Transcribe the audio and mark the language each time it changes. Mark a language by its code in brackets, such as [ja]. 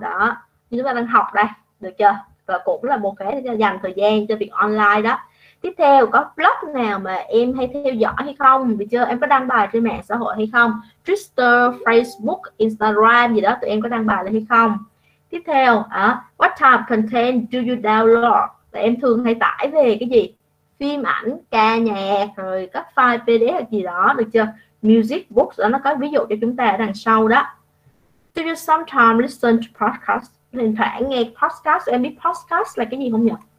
[vi] Đó, như chúng ta đang học đây. Được chưa? Và cũng là một cái để dành thời gian cho việc online đó. Tiếp theo, có blog nào mà em hay theo dõi hay không? Được chưa? Em có đăng bài trên mạng xã hội hay không? Twitter, Facebook, Instagram gì đó, tụi em có đăng bài lên hay không? Tiếp theo, [en] what type of content do you download? [vi] Là em thường hay tải về cái gì? Phim ảnh, ca nhạc, rồi các file PDF gì đó, được chưa? [en] Music, books, [vi] đó, nó có ví dụ cho chúng ta đằng sau đó. [en] Do you sometimes listen to podcasts? [vi] Thỉnh thoảng nghe podcast, em biết podcast là cái gì không nhỉ?